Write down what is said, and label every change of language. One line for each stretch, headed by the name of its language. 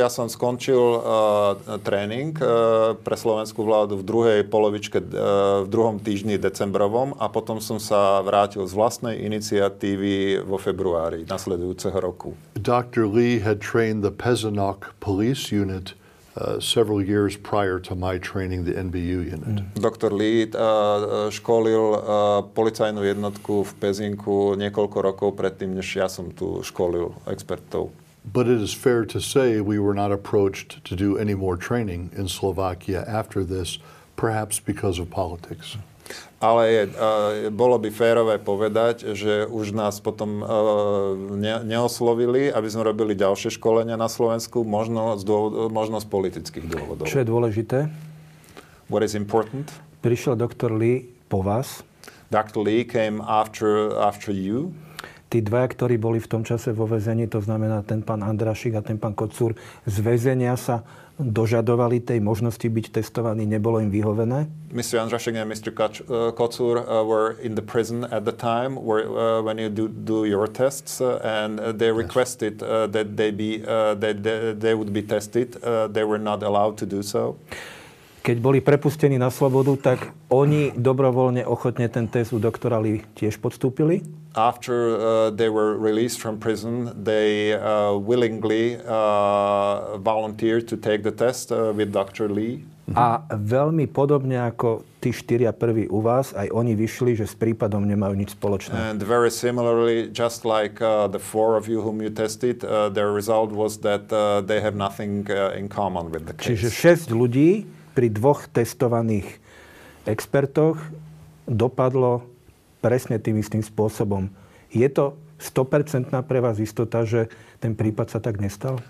Slovak: Ja som skončil tréning pre slovenskú vládu v druhej polovičke, v druhom týždni decembrovom a potom som sa vrátil z vlastnej iniciatívy vo februári nasledujúceho roku.
English: Dr. Lee had trained the Pezenok police unit several years prior to my training the NBU unit.
Slovak: Dr. Lee školil policajnú jednotku v Pezinku niekoľko rokov predtým, než ja som tu školil expertov.
English: But it is fair to say we were not approached to do any more training in Slovakia after this, perhaps because of politics.
Slovak: Ale bolo by férové povedať, že už nás potom neoslovili, aby sme robili ďalšie školenia na Slovensku, možno z politických dôvodov. Čo je dôležité?
English: What is important?
Slovak: Prišiel doktor Lee po vás.
English: Dr. Lee came after you.
Slovak: Tí dvaja, ktorí boli v tom čase vo väzení, to znamená ten pán Andrašik a ten pán Kocúr, z väzenia sa dožadovali tej možnosti byť testovaní, nebolo im vyhovené?
English: Mr. Andrašik and Mr. Kocúr were in the prison at the time where, when you do your tests and they requested that they be that they would be tested. They were not allowed to do so.
Slovak: Keď boli prepustení na slobodu, tak oni dobrovoľne ochotne ten test u doktora Lee tiež podstúpili?
English: After they were released from prison, they willingly volunteered to take the test with Dr. Lee.
Slovak: A veľmi podobne ako tí štyria prví u vás, aj oni vyšli, že s prípadom nemajú nič spoločné.
English: And very similarly, just like the four of you whom you tested, their result was that they have nothing in common with the case.
Slovak: Čiže 6 ľudí pri dvoch testovaných expertoch dopadlo presne tým istým spôsobom. Je to 100% pre vás istota, že ten prípad sa tak nestal?